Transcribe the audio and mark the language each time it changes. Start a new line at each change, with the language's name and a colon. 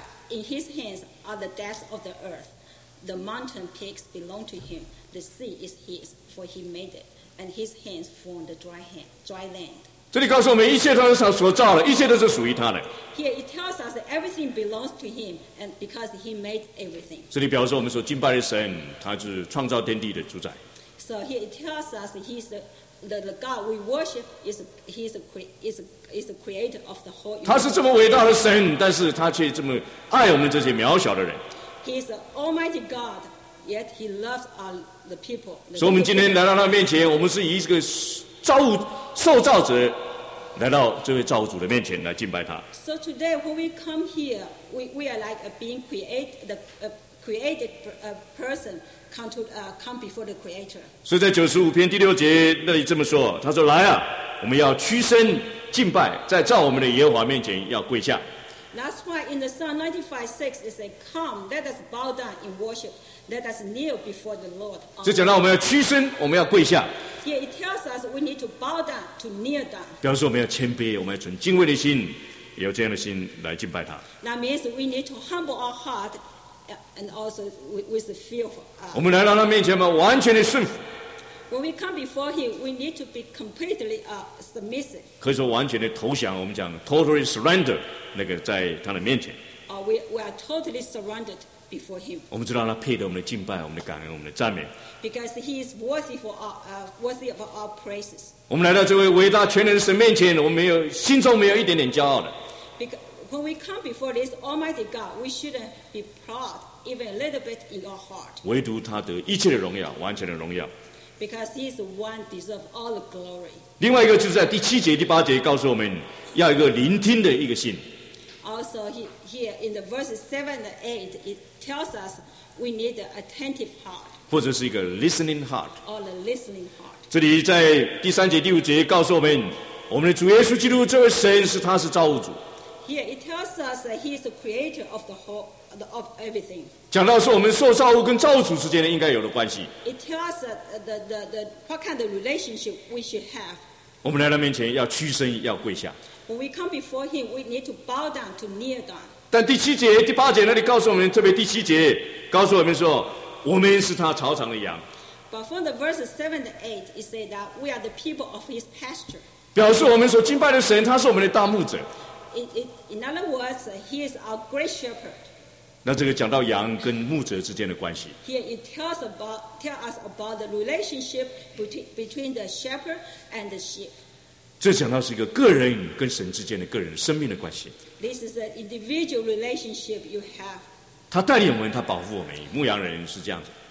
English: In his hands are the depths of the earth. The mountain peaks belong to him. The sea is his, for he made it. And his hands form the dry land.
Chinese: 这里告诉我们，一切都是他所造的，一切都是属于他的。
English: Here it tells us that everything belongs to him, and because he made everything.
Chinese: 这里表示我们所敬拜的神，他是创造天地的主宰。
English: So here it tells us that he's the God we worship is he's a is a creator of the whole.
Chinese: 他是这么伟大的神，但是他却这么爱我们这些渺小的人。
English: He's an almighty God, yet he loves our the people.
Chinese: 所以我们今天来到他面前，我们是以一个受造者来到这位造物主的面前来敬拜他。
English: So today when we come here, we are like a being created, created person come before the creator.
Chinese: 所以在95篇第六节那里这么说，他说：“来啊，我们要屈身敬拜，在造我们的耶和华面前要跪下。”
English: That's why in the Psalm 95:6 it says, "Come, let us bow down in worship." Let us kneel before the Lord.
Chinese: 这讲到我们要屈身，我们要跪下。
English: Here it tells us we need to bow down, to kneel down.
Chinese: 表示我们要谦卑，我们要存敬畏的心，也有这样的心来敬拜他。
English: That means we need to humble our heart, and also with the fear.
Chinese: 我们来到他面前嘛，完全的顺服。
English: When we come before him, we need to be completely submissive.
Chinese: 可以说完全的投降，我们讲
English: totally surrender，
Chinese: 那个在他的面前。
English: We are totally surrendered. Before him.
Chinese: 我们知道他配得我们的敬拜、我们的感恩、我们的赞美。
English: Because he is worthy for our worthy of our praises.
Chinese: 我们来到这位伟大全能的神面前，我们没有心中没有一点点骄傲的。
English: Because when we come before this Almighty God, we shouldn't be proud even a little bit in our heart.
Chinese: 唯独他得一切的荣耀，完全的荣耀。
English: Because he is the one deserve all the glory.
Chinese: 另外一个就是在第七节、第八节告诉我们要一个聆听的一个心。
English: Also, here in the verses 7 and 8, it tells us we need an attentive heart,
Chinese: 或者是一个
English: listening heart, or the listening heart.
Chinese: 这里在第三节、第五节告诉我们，我们的主耶稣基督这位神是他是造物主。
English: Here it tells us that he is the creator of the whole of everything.
Chinese: 讲到是我们受造物跟造物主之间的应该有的关系。
English: It tells us the what kind of relationship we should have.
Chinese: 我们来到面前要屈身，要跪下。
English: When we come before him, we need to bow down, to kneel down.
Chinese: 但第七节、第八节那里告诉我们，特别第七节告诉我们说，我们是他草场的羊。
English: But from the verses 7 and 8, it says that we are the people of his pasture.
Chinese: 表示我们所敬拜的神，他是我们的大牧者。
English: In other words, he is our great shepherd.
Chinese: 那这个讲到羊跟牧者之间的关系。
English: Here it tells us about the relationship between the shepherd and the sheep.
Chinese: 这讲到是一个个人跟神之间的个人生命的关系。
English: This is an individual relationship you have.
Chinese: 他带领我们，他保护我们，牧羊人是这样子。